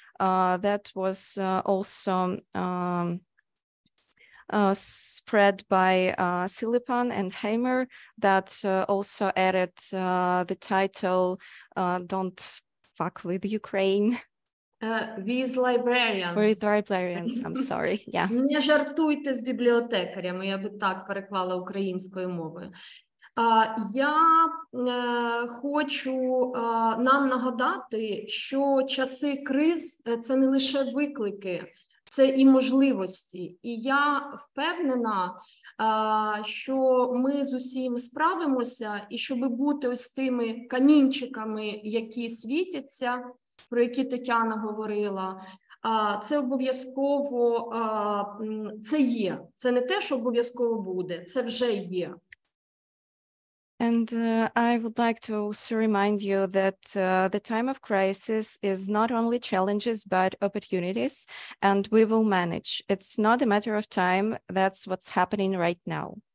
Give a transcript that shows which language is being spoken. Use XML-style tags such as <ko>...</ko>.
<en>That was also spread by Silipan and Hamer, that also added the title Don't Fuck with Ukraine. With librarians. With librarians, I'm sorry. Yeah.</en> <uk>Не жартуйте з бібліотекарями, я би так переклала українською мовою. Я хочу нам нагадати, що часи криз – це не лише виклики, це і можливості. І я впевнена, що ми з усім справимося, і щоб бути ось тими камінчиками, які світяться, про які Тетяна говорила, Це обов'язково, це є. Це не те, що обов'язково буде, це вже є.</uk> <en>And I would like to also remind you that the time of crisis is not only challenges, but opportunities, and we will manage. It's not a matter of time, that's what's happening right now.</en>